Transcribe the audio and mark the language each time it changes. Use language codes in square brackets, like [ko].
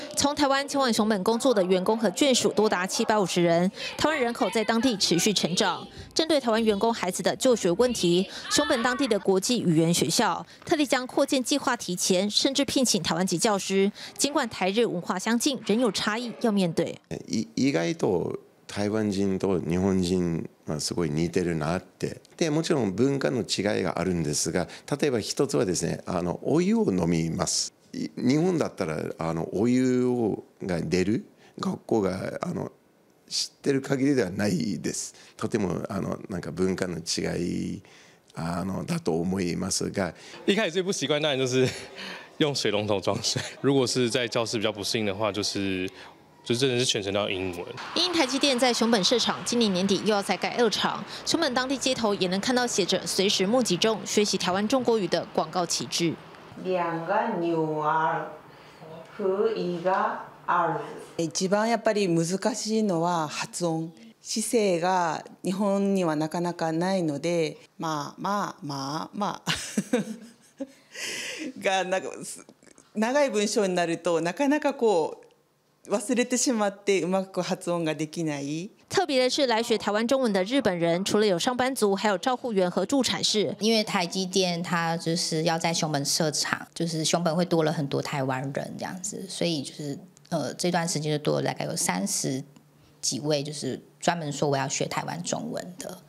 [zh] 从台湾前往熊本工作的员工和眷属多达750人，台湾人口在当地持续成长。针对台湾员工孩子的就学问题，熊本当地的国际语言学校特地将扩建计划提前，甚至聘请台湾籍教师。尽管台日文化相近，仍有差异要面对。 [ja] 意外と台湾人と日本人すごい似てるなって。でもちろん文化の違いがあるんですが、例えば一つはですね、お湯を飲みます。日本だったらお湯が出る学校が知ってる限りではないです。とてもなんか文化の違いだと思いますが、 [zh] 一开始最不习惯当然就是用水龙头装水。如果是在教室比较不适应的话，就真的是全程到英文。因台积电在熊本设厂，今年年底又要再盖二厂，熊本当地街头也能看到写着“随时募集中，学习台湾中国语”的广告旗帜。两个女儿和一个儿子。 [ja] 一番やっぱり難しいのは発音。姿勢が日本にはなかなかないので、まあまあまあまあがなんか長い文章になるとなかなかこう。忘れてしまってうまく発音ができない。 [zh] 特别的是，来学台湾中文的日本人，除了有上班族，还有照护员和助产士。因为台积电它就是要在熊本设厂，就是熊本会多了很多台湾人这样子，所以就是这段时间就多了大概有30几位，就是专门说我要学台湾中文的。